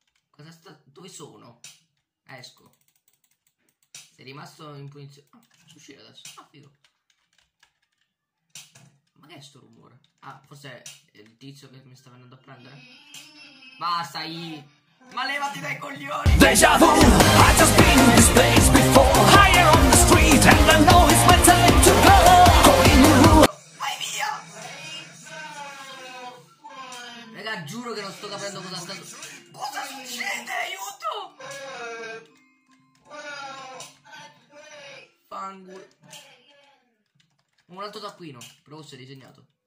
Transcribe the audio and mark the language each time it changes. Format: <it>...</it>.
<it>Cosa sta... Dove sono? Esco. Sei rimasto in punizione. Ah, posso uscire adesso? Ah, figo. Ma che è sto rumore? Ah, forse è il tizio che mi sta venendo a prendere? Basta, ma levati dai coglioni!</it> <en>Deja vu! I've just been in this place before. Higher on the street and I know it's my time to go.</en> <it>Vai via! Raga, giuro che non sto capendo cosa sta... Cosa succede? Aiuto! Fangur... Un altro taccuino, però si è disegnato.</it>